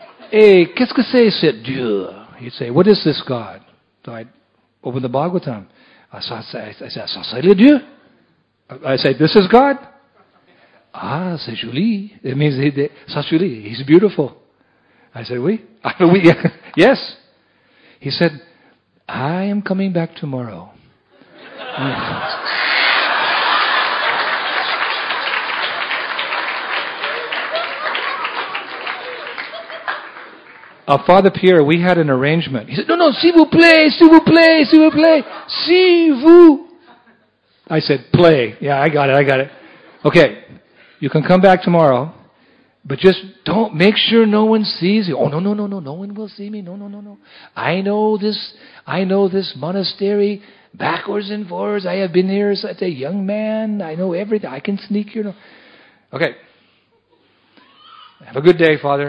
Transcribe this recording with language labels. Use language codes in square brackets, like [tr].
[fr] Hey, qu'est-ce que c'est ce Dieu? [en] He'd say, what is this God? So I'd open the Bhagavatam. I said, [fr] ça c'est le Dieu? [en] I said, this is God? [fr] Ah, c'est joli. [en] It means, [fr] c'est joli. [en] He's beautiful. I said, [fr] oui. [en] Yes. He said, I am coming back tomorrow. Father Pierre, we had an arrangement. He said, no, [fr] s'il vous plaît, s'il vous plaît, s'il vous plaît, s'il vous. [en] I said, play. Yeah, I got it. Okay. You can come back tomorrow, but just don't make sure no one sees you. Oh, no. No one will see me. No. I know this monastery backwards and forwards. I have been here as a young man. I know everything. I can sneak here. Okay. Have a good day, Father.